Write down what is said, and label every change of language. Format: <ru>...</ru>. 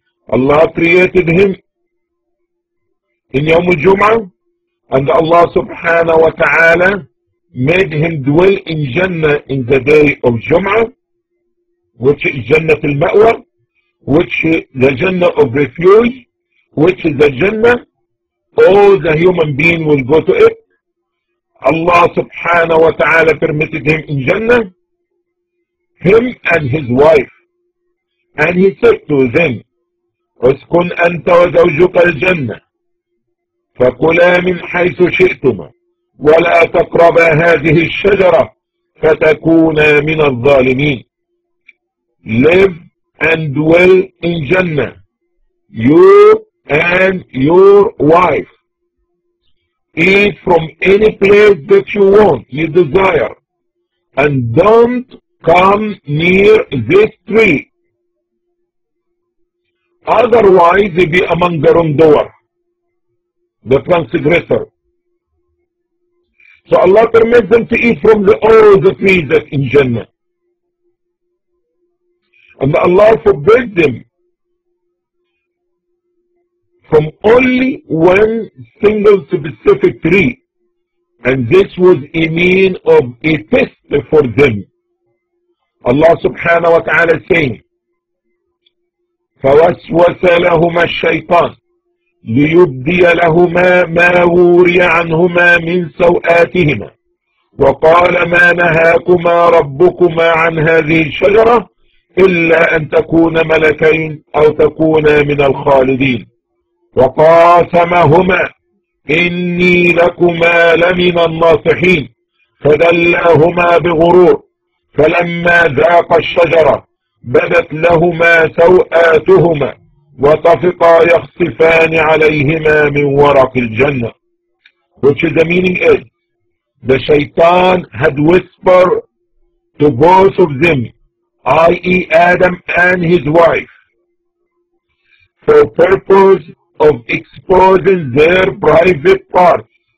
<en>Allah created him in Yawm al-Jum'ah, and Allah subhanahu wa ta'ala made him dwell in Jannah in the day of Jum'ah, which is Jannah al-Ma'wa, which the Jannah of refuge, which is the Jannah, all the human being will go to it. Allah subhanahu wa ta'ala permitted him in Jannah, him and his wife. And he said to them,</en> <ar>اسكن أنت وزوجك الجنة فكلا من حيث شئتما ولا تقربا هذه الشجرة فتكونا من الظالمين.</ar> <en>Live and dwell in Jannah, you and your wife. Eat from any place that you want, you desire, and don't come near this tree. Otherwise, you be among the wrongdoer, the transgressor. So Allah permits them to eat from all the trees that in Jannah. And Allah forbids them from only one single specific tree, and this was a mean of a test for them.</en> <ar>Allah subhanahu wa ta'ala</ar> <en>saying,</en> <ar>فَوَسْوَسَ لَهُمَا الشَّيْطَانُ لِيُبْدِيَ لَهُمَا مَا وُورِيَ عَنْهُمَا مِنْ سَوْآتِهِمَا وَقَالَ مَا نَهَاكُمَا رَبُّكُمَا عَنْ هَذِهِ الشَّجَرَةِ إِلَّا أَنْ تَكُونَ مَلَكَيْنِ أَوْ تَكُونَ مِنَ الْخَالِدِينَ وقاسمهما إني لكما لمن الناصحين فدلاهما بغرور فلما ذاق الشجرة بدت لهما سوآتهما وطفقا يخصفان عليهما من ورق الجنة.</ar> <en>Which is the meaning is the shaitan had whispered to both of them, i.e. Adam and his wife, for purpose of exposing their private parts.</en>